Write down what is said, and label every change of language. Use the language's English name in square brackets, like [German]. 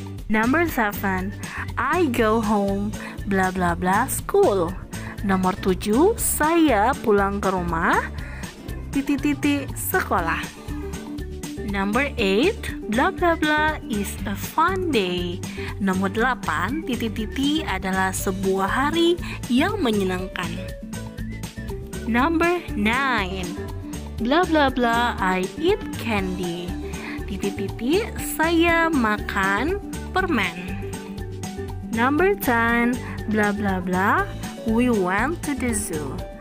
[English] Number 7, I go home blah blah blah school. [Indonesian] Nomor 7, saya pulang ke rumah titik-titik sekolah. [English] Number 8, blah blah blah is a fun day. [Indonesian] Nomor 8, titik-titik adalah sebuah hari yang menyenangkan. [English] Number 9, blah blah blah I eat candy. [Indonesian] Titik-titik saya makan permen. [English] Number 10, blah blah blah we went to the zoo.